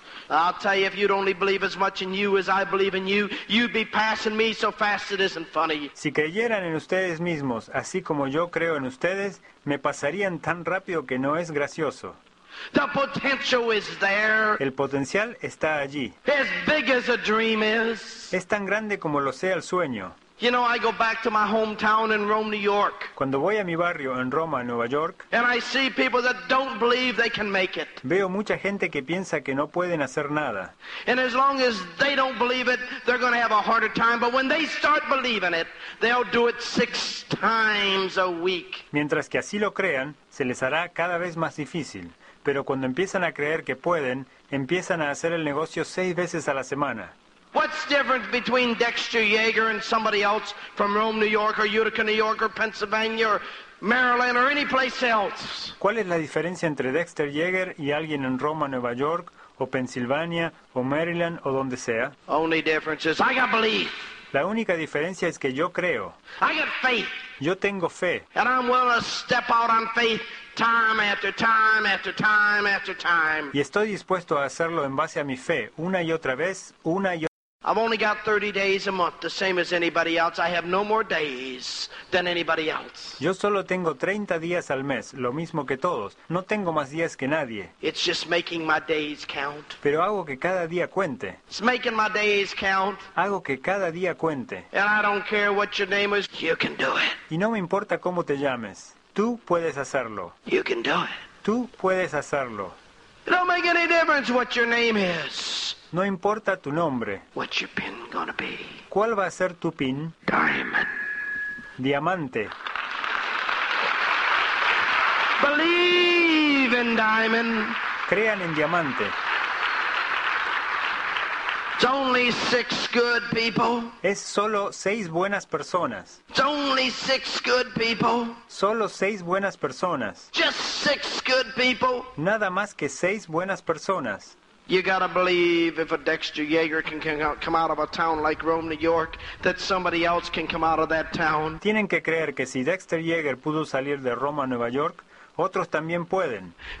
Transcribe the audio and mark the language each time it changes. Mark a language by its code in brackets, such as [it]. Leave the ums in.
[en] I'll tell you, if you'd only believe as much in you as I believe in you, you'd be passing me so fast it isn't funny. [es] Si creyeran en ustedes mismos, así como yo creo en ustedes, me pasarían tan rápido que no es gracioso. [en] The potential is there. [es] El potencial está allí. [en] As big as a dream is. [es] Es tan grande como lo sea el sueño. [en] You know, I go back to my hometown in Rome, New York. [es] Cuando voy a mi barrio en Roma, Nueva York. [en] And I see people that don't believe they can make it. [es] Veo mucha gente que piensa que no pueden hacer nada. [en] And as long as they don't believe it, they're going to have a harder time. But when they start believing it, they'll do it six times a week. [es] Mientras que así lo crean, se les hará cada vez más difícil. Pero cuando empiezan a creer que pueden, empiezan a hacer el negocio seis veces a la semana. [en] What's different between Dexter Yeager and somebody else from Rome, New York, or Utica, New York, or Pennsylvania, or Maryland, or any place else? [es] ¿Cuál es la diferencia Dexter Yeager y alguien en Roma, Nueva York, o Pennsylvania, o Maryland, o donde sea? [en] Only difference is I got belief. [es] La única diferencia es que yo creo. [en] I got faith. [es] Yo tengo fe. [en] And I'm willing to step out on faith. Time after time after time after time. [es] Y estoy dispuesto a hacerlo en base a mi fe, una y otra vez, una y otra [en] I've only got 30 days a month, the same as anybody else. I have no more days than anybody else. [es] Yo solo tengo 30 días al mes, lo mismo que todos. No tengo más días que nadie. [en] It's just making my days count. [es] Pero hago que cada día cuente. [en] It's making my days count. [es] Hago que cada día cuente. [en] And I don't care what your name is, you can do it. [es] Y no me importa cómo te llames. Tú puedes hacerlo. [en] You can do it. [es] Tú puedes hacerlo. [en] It don't make any difference what your name is. [es] No importa tu nombre. [en] What your pin gonna be? [es] ¿Cuál va a ser tu pin? Diamond. Diamante. [en] Believe in [es] diamond. Crean en diamante. [en] It's only six good people. [es] Es solo seis buenas personas. [en] It's only six good people. [es] Solo seis buenas personas. [en] Just six good people. [es] Nada más que seis buenas personas. [en] You gotta believe if a Dexter Yeager can come out of a town like Rome, New York, that somebody else can come out of that town. [es] Tienen que creer que si Dexter Yeager pudo salir de Roma, Nueva York. otros también pueden.